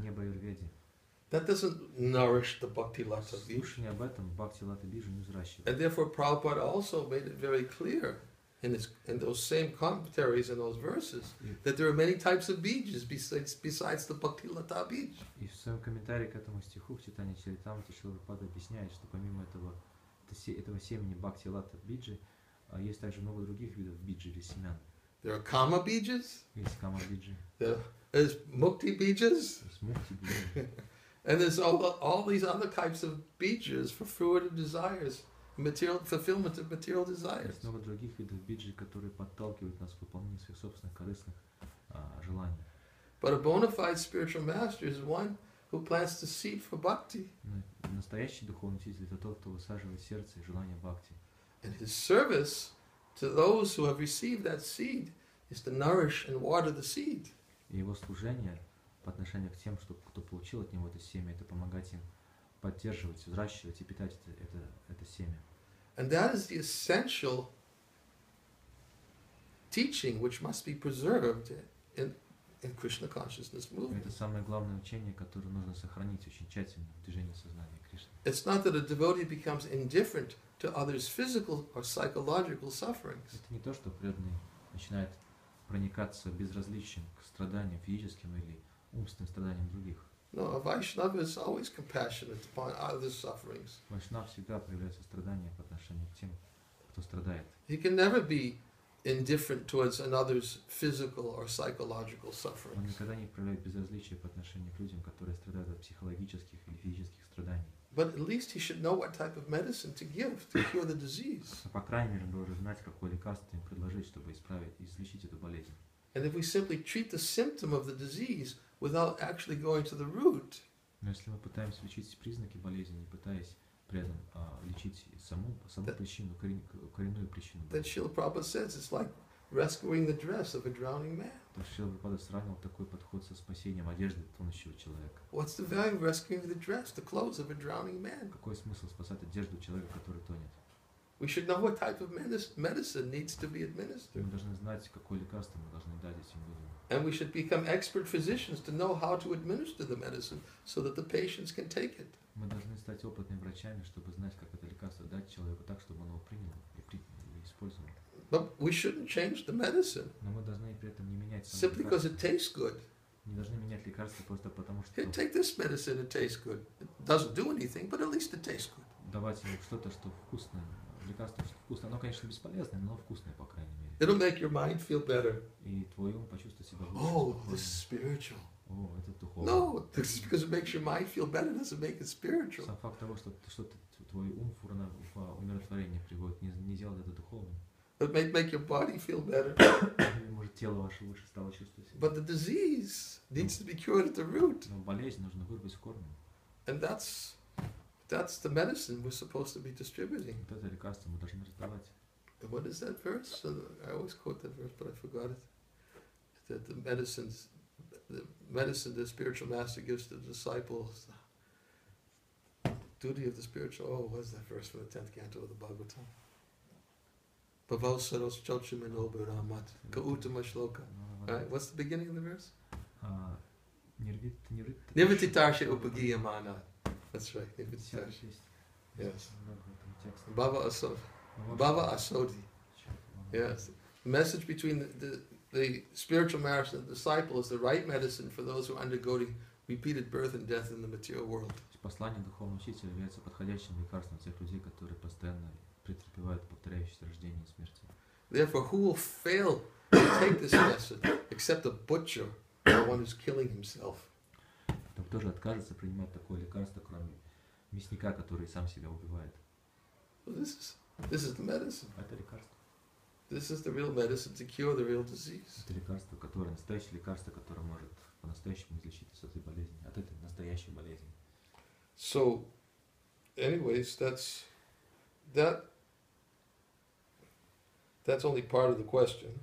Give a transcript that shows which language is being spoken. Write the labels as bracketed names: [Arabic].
[Russian] Не об аюрведе. [English] That doesn't nourish the bhakti lata bij. [Russian] Слушание об этом бхакти лата бижу не взращивает. [English] And therefore Prabhupada also made it very clear in those same commentaries in those verses that there are many types of bijas besides the bhakti lata bij. [Russian] И в своем комментарии к этому стиху в Чайтанья Чаритамрите Шрила Прабхупада объясняет, что помимо этого семени бхакти лата биджи есть также много других видов биджи или семян. [English] There are kama bijas. [Russian] Есть кама биджи. [English] There's mukti bijas. Mukti bijas. And there's all these other types of bijas for fruitive desires, material fulfillment of material desires. [Russian] Есть много других видов биджи, которые подталкивают нас к выполнению своих собственных корыстных желаний. [English] But a bona fide spiritual master is one who plants the seed for bhakti. [Russian] Настоящий духовный учитель — это тот, кто высаживает сердце и желание бхакти. [English] And his service to those who have received that seed is to nourish and water the seed. [Russian] И его служение по отношению к тем, что кто получил от него это семя, это помогать им поддерживать, взращивать и питать это семя. [English] And that is the essential teaching which must be preserved in Krishna consciousness movement. [Russian] Это самое главное учение, которое нужно сохранить очень тщательно в движении сознания Кришны. [English] It's not that a devotee becomes indifferent to others' physical or psychological sufferings. [Russian] Это не то, что преданный начинает проникаться безразличием к страданиям физическим или умственным страданиям других. [English] No, a Vaishnava is always compassionate upon others' sufferings. [Russian] Вайшнав всегда проявляет сострадание по отношению к тем, кто страдает. [English] He can never be indifferent towards another's physical or psychological sufferings. [Russian] Он никогда не проявляет безразличия по отношению к людям, которые страдают от психологических или физических страданий. [English] But at least he should know what type of medicine to give to cure the disease. [Russian] По крайней мере, он должен знать, какое лекарство им предложить, чтобы излечить эту болезнь. [English] And if we simply treat the symptom of the disease without actually going to the root. [Russian] Но если мы пытаемся лечить признаки болезни, не пытаясь при этом лечить саму причину, коренную причину. [English] Then Srila Prabhupada says it's like rescuing the dress of a drowning man. [Russian] Шрила Прабхупада сравнил такой подход со спасением одежды тонущего человека. [English] What's the value of rescuing the dress, the clothes of a drowning man? [Russian] Какой смысл спасать одежду человека, который тонет? [English] We should know what type of medicine needs to be administered. [Russian] Мы должны знать, какое лекарство мы должны дать этим людям. [English] And we should become expert physicians to know how to administer the medicine so that the patients can take it. [Russian] Мы должны стать опытными врачами, чтобы знать, как это лекарство дать человеку так, чтобы он его принял и использовал. [English] But we shouldn't change the medicine. [Russian] Но мы должны при этом не менять само лекарство. [English] Simply because it tastes good. [Russian] Не должны менять лекарство просто потому, что. [English] Take this medicine, it tastes good. It doesn't do anything, but at least it tastes good. [Russian] давать ему что-то, что вкусное, лекарство, что вкусное. Оно, конечно, бесполезное, но вкусное, по крайней мере. [English] It'll make your mind feel better. [Russian] И твой ум почувствует себя лучше. [English] Oh, this is spiritual. [Russian] О, это духовно. [English] No, this is because it makes your mind feel better, doesn't make it spiritual. [Russian] Сам факт того, что твой ум в умиротворение приводит, не делает это духовным. [English] It may make your body feel better. [Russian] Может, тело ваше лучше стало чувствовать себя. [English] But the disease needs to be cured at the root. [Russian] Но болезнь нужно вырвать с корнем. [English] And that's the medicine we're supposed to be distributing. [Russian] Вот это лекарство мы должны раздавать. [English] What is that verse? I always quote that verse, but I forgot it. That the medicine the spiritual master gives to the disciples, the duty of the spiritual. Oh, what is that verse from the 10th canto of the Bhagavatam? Bhavau saros chalchim enobu ramat ka utama shloka. Right? What's the beginning of the verse? Nirvititarshi upagiya mana. That's right. Nirvititarshi. Yes. Bhava asodi. Yes. The message between the spiritual master and the disciple is the right medicine for those who are undergoing repeated birth and death in the material world. [Russian] Послание духовного учителя является подходящим лекарством для тех людей, которые постоянно претерпевают повторяющиеся рождения и смерти. [English] Therefore, who will fail to take this message except a butcher, the one who's killing himself? [Russian] Кто же откажется принимать такое лекарство, кроме мясника, который сам себя убивает? [English] This is the medicine. [Russian] Это лекарство. [English] This is the real medicine to cure the real disease. [Russian] Это лекарство, которое настоящее лекарство, которое может по-настоящему излечить от этой болезни, от этой настоящей болезни. [English] So, anyways, that's only part of the question.